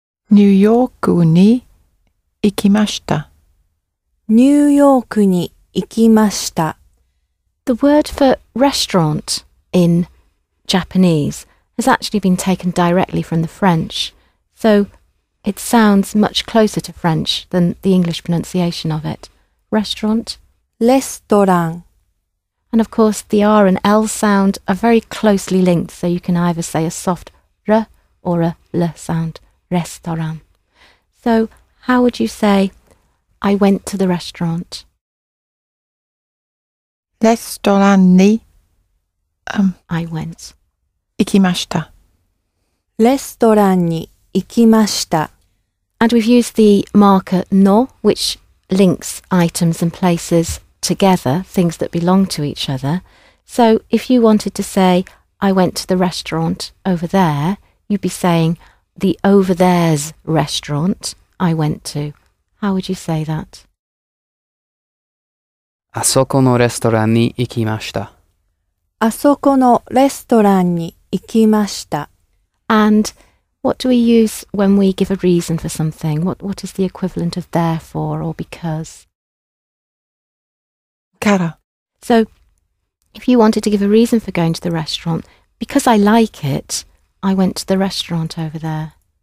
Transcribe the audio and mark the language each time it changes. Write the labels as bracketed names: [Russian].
[Japanese] ニューヨークに行きました。ニューヨークに行きました。 [English] The word for restaurant in Japanese has actually been taken directly from the French, so it sounds much closer to French than the English pronunciation of it. Restaurant. Restaurant. And of course, the R and L sound are very closely linked, so you can either say a soft R or a L sound. Restaurant. So, how would you say, I went to the restaurant? [Japanese] Restaurant ni, [English] I went. [Japanese] 行きました. Restaurant ni 行きました. [English] And we've used the marker no, which links items and places together, things that belong to each other. So, if you wanted to say, I went to the restaurant over there, you'd be saying,The over there's restaurant I went to. How would you say that? [Japanese] あそこのレストランに行きました。あそこのレストランに行きました。 [English] And what do we use when we give a reason for something? What is the equivalent of therefore or because? [Japanese] から。 [English] So, if you wanted to give a reason for going to the restaurant, because I like it,I went to the restaurant over there.